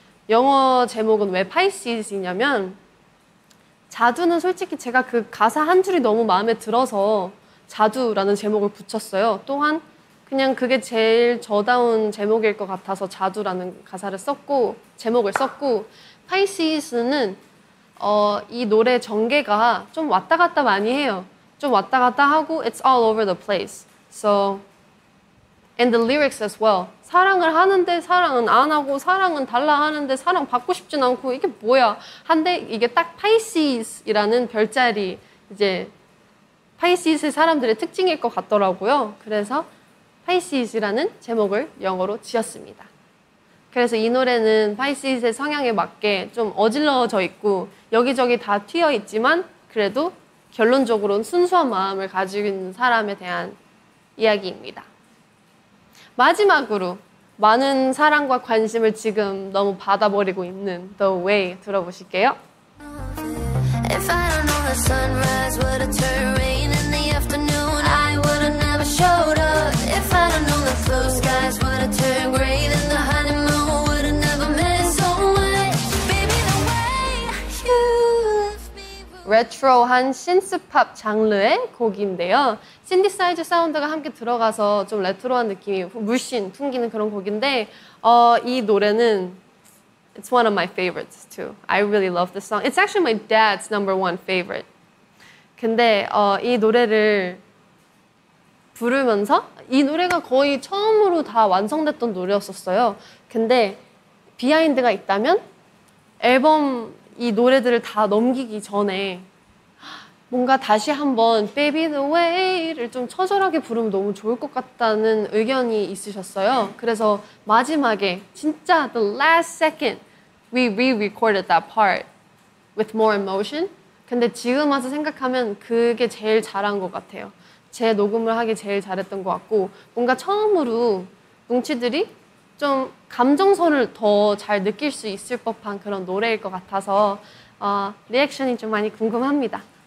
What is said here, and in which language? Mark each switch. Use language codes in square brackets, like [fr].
[ko] 영어 제목은 왜 Pisces이냐면 자두는 솔직히 제가 그 가사 한 줄이 너무 마음에 들어서 자두라는 제목을 붙였어요. 또한 그냥 그게 제일 저다운 제목일 것 같아서 자두라는 가사를 썼고 제목을 썼고 Pisces는 이 노래 전개가 좀 왔다 갔다 많이 해요. 좀 왔다 갔다 하고 [en] It's all over the place. So and the lyrics as well. [ko] 사랑을 하는데 사랑은 안 하고 사랑은 달라 하는데 사랑 받고 싶진 않고 이게 뭐야? 한데 이게 딱 Pisces이라는 별자리 이제 Pisces의 사람들의 특징일 것 같더라고요. 그래서 Pisces이라는 제목을 영어로 지었습니다. 그래서 이 노래는 Pisces의 성향에 맞게 좀 어질러져 있고 여기저기 다 튀어 있지만 그래도 결론적으로는 순수한 마음을 가지고 있는 사람에 대한 이야기입니다. 마지막으로 많은 사랑과 관심을 지금 너무 받아버리고 있는 The Way 들어보실게요. [en] If I don't know the sunrise, would it turn rain in the afternoon? I would have never showed up. If I don't know the blue skies, would it turn gray? Then the honeymoon would have never meant so much. Baby, the way you left me. [ko] 레트로한 신스팝 장르의 곡인데요. 신디사이저 사운드가 함께 들어가서 좀 레트로한 느낌이 물씬 풍기는 그런 곡인데 이 노래는 [en] It's one of my favorites too. I really love this song. It's actually my dad's number one favorite. [ko] 근데 이 노래를 부르면서 이 노래가 거의 처음으로 다 완성됐던 노래였었어요. 근데 비하인드가 있다면 앨범 이 노래들을 다 넘기기 전에 뭔가 다시 한번 Baby the way를 좀 처절하게 부르면 너무 좋을 것 같다는 의견이 있으셨어요. 그래서 마지막에 진짜 [en] the last second we re-recorded that part with more emotion. [ko] 근데 지금 와서 생각하면 그게 제일 잘한 것 같아요. 제 녹음을 하기 제일 잘했던 것 같고 뭔가 처음으로 뭉치들이 좀 감정선을 더 잘 느낄 수 있을 법한 그런 노래일 것 같아서 리액션이 좀 많이 궁금합니다.